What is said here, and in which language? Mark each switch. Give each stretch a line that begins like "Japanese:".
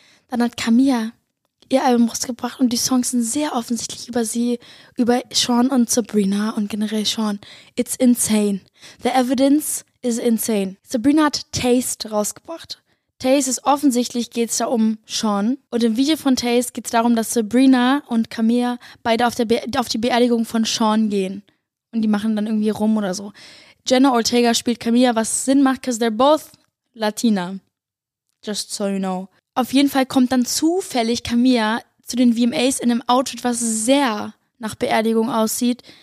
German: Dann hat Camila ihr Album rausgebracht und die Songs sind sehr offensichtlich über sie, über Sean und Sabrina und generell Sean.
English: It's insane. The evidence is insane.
German: Sabrina hat Taste rausgebracht. Taste ist offensichtlich, geht es da um Sean. Und im Video von Taste geht es darum, dass Sabrina und Camila beide auf die Beerdigung von Sean gehen. Und die machen dann irgendwie rum oder so. Jenna Ortega spielt Camila, was Sinn macht,
English: because they're both Latina. Just so you know.
German: Auf jeden Fall kommt dann zufällig Camila zu den VMAs in einem Outfit, was sehr nach Beerdigung aussieht.